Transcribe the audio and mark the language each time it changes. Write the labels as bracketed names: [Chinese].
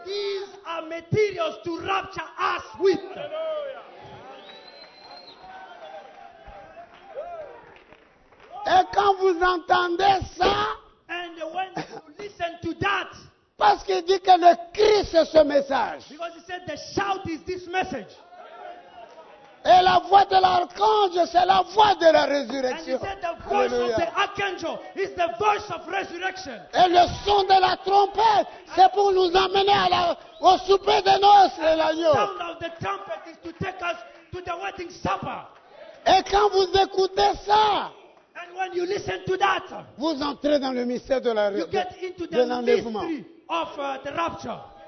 [English] These are materials to rapture us with. [French] Et quand vous entendez ça, [English] and when you listen to that, [French] parce qu'il dit que le cri c'est ce message. [English] Because he said the shout is this message. [French] Et la voix de l'archange, c'est la voix de la résurrection. [English] And he said the voice, alléluia, of the archangel is the voice of resurrection. [French] Et le son de la trompette, c'est pour nous amener au souper de noces, et l'agneau. [English] The sound of the trumpet is to take us to the wedding supper. [French] Et quand vous écoutez ça, [English] and when you listen to that, [French] vous entrez dans le mystère de l'enlèvement. [English] You get into the mystery of the rapture.